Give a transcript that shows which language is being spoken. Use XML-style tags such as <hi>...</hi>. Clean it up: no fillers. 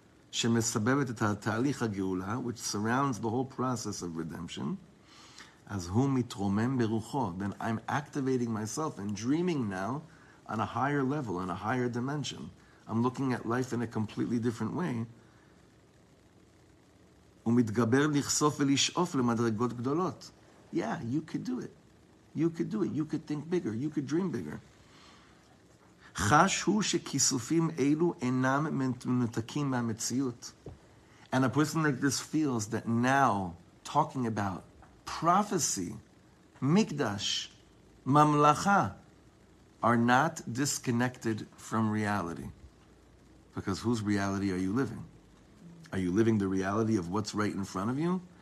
<he>שמסבבת את התהליך הגאולה,</he> <en>which surrounds the whole process of redemption,</en> <he>אז הוא מתרומם ברוחו.</he> <en>Then I'm activating myself and dreaming now on a higher level, on a higher dimension. I'm looking at life in a completely different way.</en> <he>הוא מתגבר לחשוף ולשאוף למדרגות גדולות.</he> <en>Yeah, you could do it. You could do it. You could think bigger. You could dream bigger.</en> <he>חש הוא שכיסופים אלו אינם מנותקים מהמציאות.</he> <en>And a person like this feels that now, talking about prophecy, mikdash, mamlacha, are not disconnected from reality. Because whose reality are you living? Are you living the reality of what's right in front of you?</en>